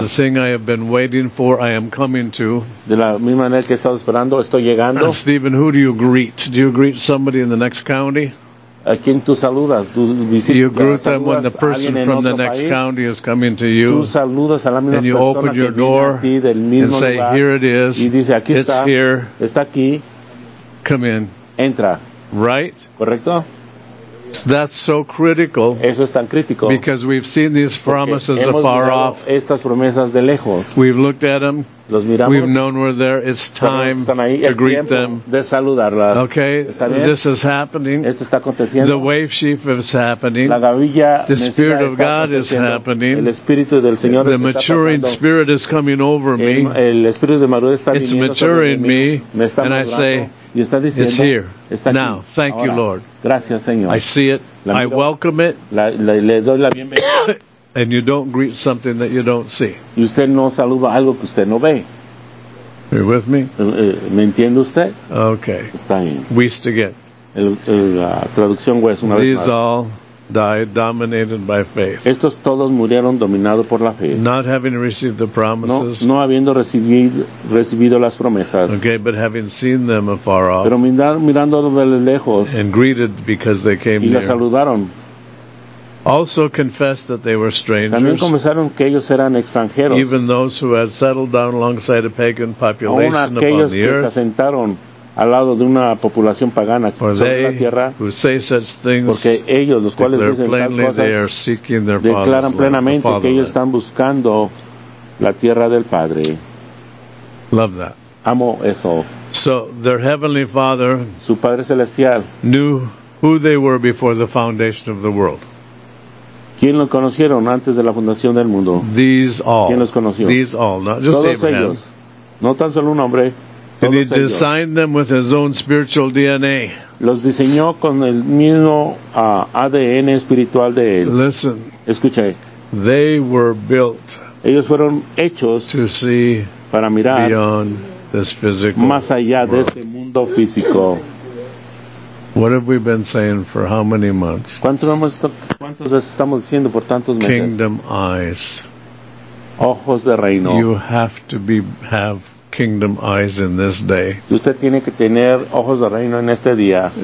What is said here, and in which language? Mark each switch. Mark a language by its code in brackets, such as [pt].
[en] The thing I have been waiting for, I am coming to. [es] De la misma manera que he estado esperando, estoy llegando. [en] Stephen, who do you greet? Do you greet somebody in the next county? [es] ¿A quién tú saludas? ¿Tú visitas, [en] you greet them when the person from the next [es] país? [en] County is coming to you. [es] ¿Tú saludas a la misma [en] and you open your door and say, here it is. [es] Y dice, aquí [en] it's [es] está, [en] here. [es] Está aquí. [en] Come in. [es] Entra. [en] Right? [es] Correcto. [en] That's so critical. [es] Eso es tan crítico. [en] Because we've seen these promises afar off. [es] Estas promesas de lejos. [en] We've looked at them. [es] Los miramos. [en] We've known we're there. It's time [es] están ahí. [en] To greet them. [es] De saludarlas. [en] Okay. [es] ¿Está bien? [en] This is happening. [es] Esto está aconteciendo. [en] The wave sheaf is happening. [es] La gavilla [en] the Spirit of God is happening. [es] El Espíritu del Señor [en] the maturing [es] está [en] Spirit is coming over me. [es] El Espíritu de madurez está [en] it's maturing [es] mí. [en] Me. And [es] madurando. [en] I say, [es] y está diciendo, [en] it's here. [es] Está aquí. [en] Now, thank [es] ahora. [en] You, Lord. [es] Gracias, Señor. [en] I see it. [es] Miro, [en] I welcome it. [es] Le doy la bienvenida. [en] And you don't greet something that you don't see. [es] Y usted no saluda algo que usted no ve. [en] Are you with me? [es] ¿Me entiende usted? [en] Okay. [es] Está bien. [en] Waste again. [es] La traducción waste una [en] these [es] vez más. [en] These all died dominated by faith. [es] Estos todos murieron dominados por la fe. [en] Not having received the promises. [es] No, no habiendo recibido las promesas. [en] Okay, but having seen them afar off. [es] Pero mirando de lejos. [en] And greeted because they came [es] y [en] near. [es] Y los saludaron. [en] Also confessed that they were strangers. [es] También comenzaron que ellos eran extranjeros. [en] Even those who had settled down alongside a pagan population upon the earth. [es] Que se asentaron al lado de una población pagana [en] for [es] sobre [en] they [es] la tierra. [en] Who say such things, [es] porque ellos, los cuales dicen tal cosa, [en] they are seeking their [es] declaran plenamente que ellos están buscando la tierra del Padre. [en] Love that. [es] Amo eso. [en] So their heavenly Father, [es] su Padre celestial, [en] knew who they were before the foundation of the world. [es] ¿Quién los conocieron antes de la fundación del mundo? [en] These all. [es] ¿Quién los conoció? [en] These all, not just [es] todos [en] Abraham. [es] Ellos. No tan solo un hombre. [en] And he [es] ellos. [en] Designed them with his own spiritual DNA. [es] Los diseñó con el mismo ADN espiritual de él. [en] Listen. [es] Escucha. [en] They were built. [es] Ellos fueron hechos [en] to see [es] para mirar [en] beyond this physical [es] más allá [en] world. [es] De este mundo físico. [en] What have we been saying for how many months? [es] ¿Cuántas veces estamos diciendo por tantos meses? [en] Kingdom eyes. [es] Ojos de reino. [en] You have to have kingdom eyes in this day. [es] Usted tiene que tener ojos de reino en este día.